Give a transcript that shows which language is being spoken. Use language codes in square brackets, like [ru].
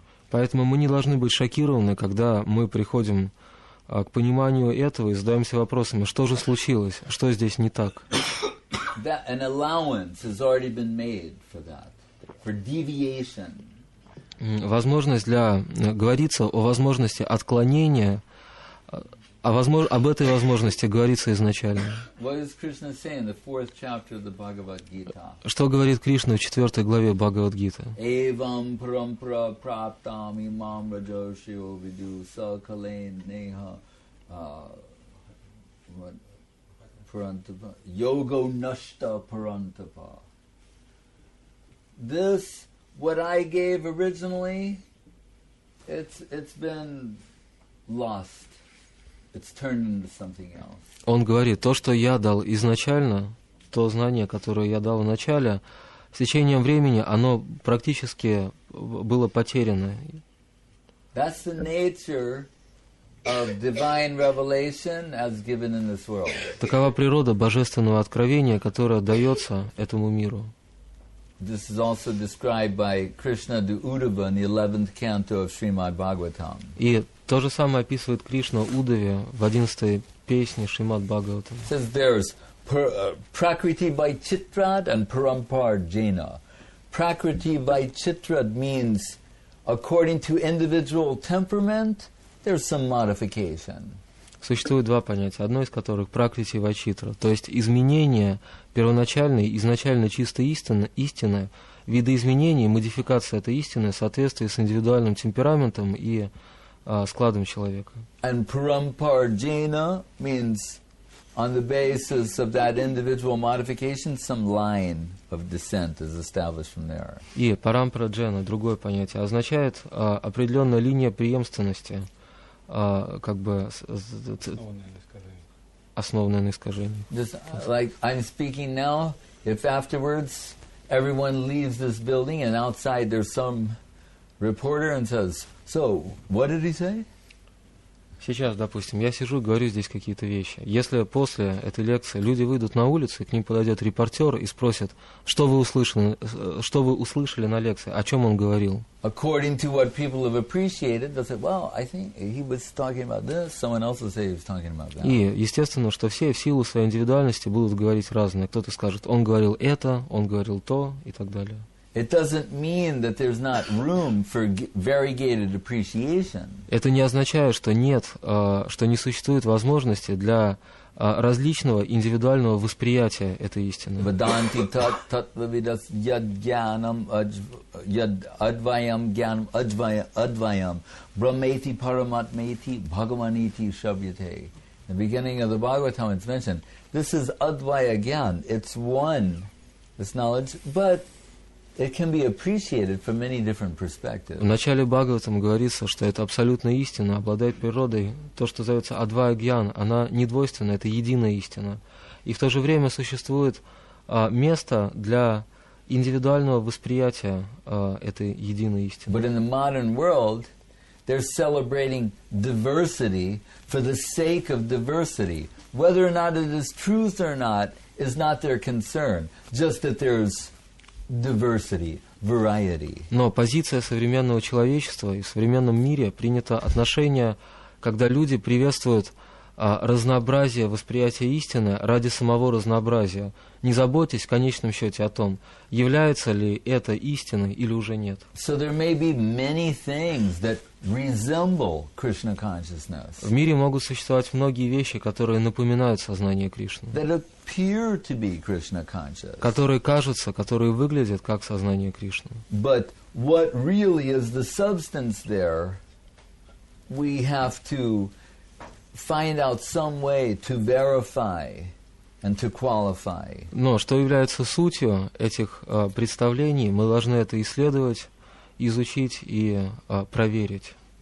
[ru] Поэтому мы не должны быть шокированы, когда мы приходим к пониманию этого и задаемся вопросами, что же случилось, что здесь не так. [en] An allowance has already been made for that. For deviation. [ru] Возможность для говорится о возможности отклонения, об этой возможности говорится изначально. [en] What does Krishna say in the fourth chapter of the Bhagavad Gita? [ru] Что говорит Кришна в четвертой главе Бхагавад Гиты? [sa] Evam prampra praptam imam rajoshi ovidu sakalen neha parantapa yogo nashta parantapa. [en] This, what I gave originally, it's been lost. It's turned into something else. [ru] Он говорит, то, что я дал изначально, то знание, которое я дал вначале, с течением времени оно практически было потеряно. [en] That's the nature of divine revelation as given in this world. [ru] Такова природа божественного откровения, которое дается этому миру. [en] This is also described by Krishna to Uddhava in the 11th canto of Srimad Bhagavatam. [ru] И то же самое описывает Кришна Удаве в 11-й песне Шримад Бхагаватам. [en] Says there's prakriti by chitrad and parampar jena. Prakriti by chitrad means according to individual temperament, there's some modification. [ru] Существует два понятия, одно из которых пракрити вачитра, то есть изменение первоначальной, изначально чистой истины, видоизменение, модификация этой истины в соответствии с индивидуальным темпераментом и складом человека. [en] And parampar jena means on the basis of that individual modification, some line of descent is established from there. [ru] И парампара джена, другое понятие, означает определенная линия преемственности. Как бы основанное на искажении. [en] Just like I'm speaking now, if afterwards everyone leaves this building and outside there's some reporter and says, so, what did he say? [ru] Сейчас, допустим, я сижу и говорю здесь какие-то вещи. Если после этой лекции люди выйдут на улицу, и к ним подойдет репортер и спросит, что вы услышали на лекции, о чем он говорил. [en] According to what people have appreciated, they'll say, well, I think he was talking about this, someone else will say he was talking about that. [ru] И естественно, что все в силу своей индивидуальности будут говорить разное. Кто-то скажет, он говорил это, он говорил то и так далее. [en] It doesn't mean that there's not room for variegated appreciation. [ru] Это не означает, что нет, что не существует возможности для различного индивидуального восприятия этой истины. [sa] Vedanti tattvavidas yadgyanam yadadvayam gyanam advayam brahmeti paramatmeti bhagavaniti shravyate. [en] In the beginning of the Bhagavatam it's mentioned, this is advaya gyan, it's one, this knowledge, but it can be appreciated from many different perspectives. [ru] В начале Бхагаватам говорится, что это абсолютная истина, обладает природой. То, что называется Адвая Гьян, она недвойственна, это единая истина. И в то же время существует место для индивидуального восприятия этой единой истины. [en] But in the modern world, they're celebrating diversity for the sake of diversity. Whether or not it is truth or not is not their concern. Just that there's diversity, variety. [ru] Но позиция современного человечества и в современном мире принято отношение, когда люди приветствуют разнообразие восприятия истины ради самого разнообразия, не заботясь в конечном счете о том, является ли это истиной или уже нет. [en] So there may be many things that resemble Krishna consciousness. [ru] В мире могут существовать многие вещи, которые напоминают сознание Кришны. [en] That appear to be Krishna consciousness. [ru] Которые кажутся, которые выглядят как сознание Кришны. [en] But what really is the substance there, we have to find out some way to verify and to qualify. [ru] Но что является сутью этих представлений, мы должны это исследовать, изучить и проверить.